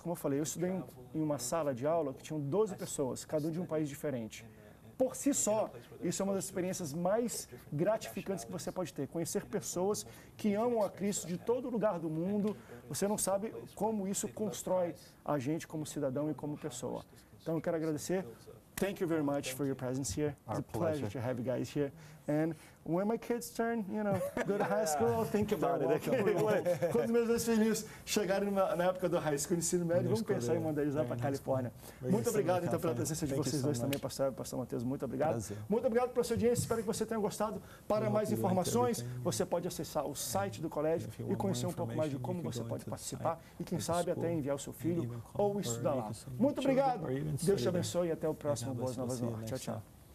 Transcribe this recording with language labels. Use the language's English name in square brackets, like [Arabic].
[Portuguese] Como eu falei, eu estudei em uma sala de aula que tinham 12 pessoas, cada um de um país diferente. Por si só, isso é uma das experiências mais gratificantes que você pode ter. Conhecer pessoas que amam a Cristo de todo lugar do mundo, você não sabe como isso constrói a gente como cidadão e como pessoa. Então, eu quero agradecer. [English] Thank you very much for your presence here. It's a pleasure to have you guys here. And when my kids turn, you know, go to high school, I'll think about it. [Portuguese] Quando meus dois filhos chegarem na época do high school, ensino médio, vamos pensar em mandar eles lá para a Califórnia. Muito obrigado, então, pela presença de vocês dois também, pastor e pastor Matheus. Muito obrigado. Muito obrigado pela sua audiência. Espero que você tenha gostado. Para mais informações, você pode acessar o site do colégio e conhecer um pouco mais de como você pode participar e, quem sabe, até enviar o seu filho ou estudar lá. Muito obrigado. Deus te abençoe e até o próximo Boas Novas Norte. Tchau, tchau.